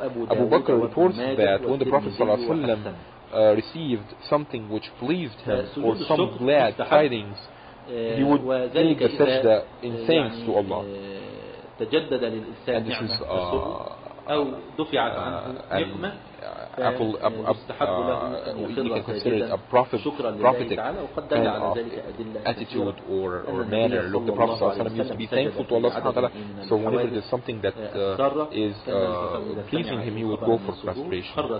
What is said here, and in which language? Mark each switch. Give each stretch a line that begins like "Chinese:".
English: Abu Bakr reports that when the Prophet
Arabic: صلى الله عليه وسلم
English: received something which pleased him or some glad tidings, he would make a sajda in thanks to Allah.
Arabic: تجدد للإنسان نعمة تسره أو دفعة عنه نقمة.
English: You can consider it a prophetic kind of attitude or manner. Look, the Prophet ﷺ used to be thankful to Allah subhanahu wa ta'ala. So whenever there's something that is pleasing him, he would go for prostration.